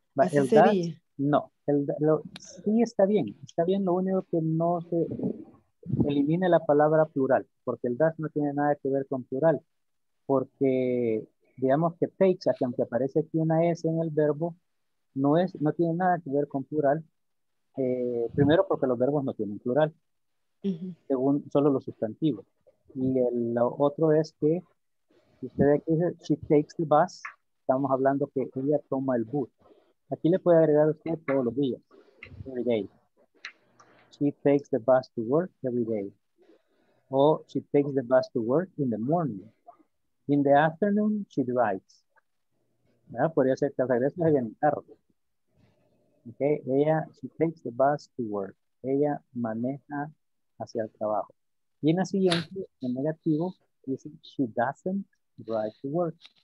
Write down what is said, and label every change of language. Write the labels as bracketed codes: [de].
[es] Sí, está bien, lo único que no se elimine la palabra plural, porque el das no tiene nada que ver con plural, porque digamos que takes, aunque aparece aquí una S en el verbo, no tiene nada que ver con plural, primero porque los verbos no tienen plural, según solo los sustantivos, y lo otro es que usted aquí dice, [en] she takes the bus, [es] estamos hablando que ella toma el bus. Aquí le puede agregar usted todos los días, [en] every day. She takes the bus to work every day. O she takes the bus to work in the morning. In the afternoon, she drives. ¿Verdad? [es] Podría ser que al regreso se viene en carro. [en] Okay. Ella, she takes the bus to work. [es] Ella maneja hacia el trabajo. Y en la siguiente, en negativo, dice [en] she doesn't drive to work.